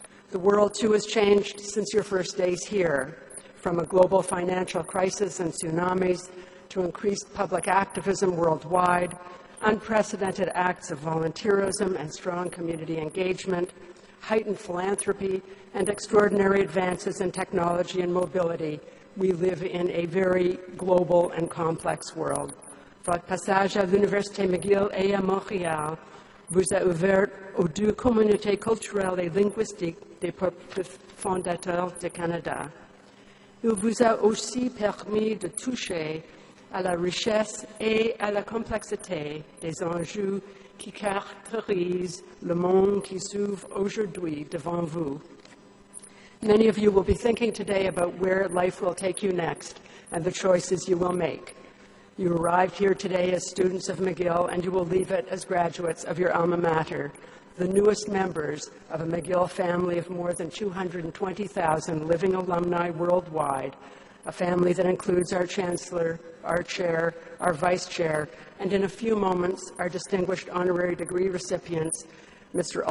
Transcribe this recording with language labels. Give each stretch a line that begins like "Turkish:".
English: The world, too, has changed since your first days here, from a global financial crisis and tsunamis to increased public activism worldwide, unprecedented acts of volunteerism and strong community engagement, heightened philanthropy, and extraordinary advances in technology and mobility. We live in a very global and complex world.
French: Votre passage à l'Université McGill et à Montréal vous a ouvert aux deux communautés culturelles et linguistiques des peuples fondateurs du Canada. Il vous a aussi permis de toucher à la richesse et à la complexité des enjeux qui caractérisent le monde qui s'ouvre aujourd'hui devant vous.
English: Many of you will be thinking today about where life will take you next and the choices you will make. You arrived here today as students of McGill, and you will leave it as graduates of your alma mater, the newest members of a McGill family of more than 220,000 living alumni worldwide, a family that includes our chancellor, our chair, our vice chair, and in a few moments, our distinguished honorary degree recipients, Mr.